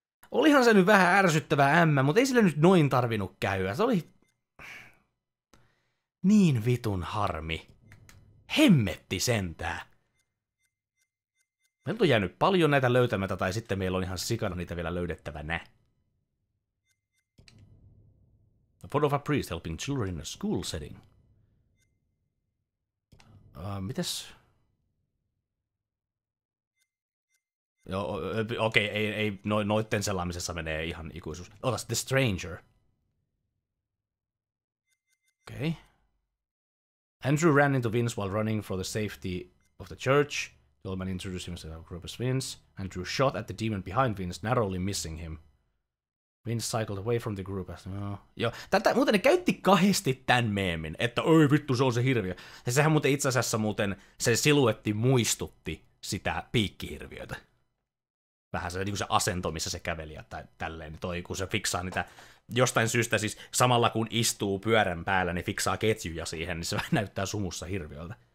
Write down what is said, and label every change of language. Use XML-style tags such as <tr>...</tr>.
<fi>Olihan se nyt vähän ärsyttävä M, mutta ei sille nyt noin tarvinnut käydä. Se oli niin vitun harmi. Hemmetti sentään. Meiltä on jäänyt paljon näitä löytämättä, tai sitten meillä on ihan sikana niitä vielä löydettävänä.</fi> <en>The photo of a priest helping children in a school setting.</en> <fi>Mitäs? Joo, okei, okay, ei noitten selaamisessa menee ihan ikuisuus. Otas The Stranger. Okei. Okay.</fi> <en>Andrew ran into Vince while running for the safety of the church. The old man introduced himself to a group of Vince. Andrew shot at the demon behind Vince, narrowly missing him. Vince cycled away from the group as well.</en> <fi>Joo, muuten ne käytti kahdesti tämän meemin, että oi vittu, se on se hirviö. Ja sehän muuten itse asiassa muuten, se siluetti muistutti sitä piikkihirviötä. Vähän se, niin kuin se asento, missä se käveli ja tälleen. Toi, kun se fiksaa niitä jostain syystä, siis samalla kun istuu pyörän päällä, niin fiksaa ketjuja siihen, niin se vähän näyttää sumussa hirviöltä.</fi>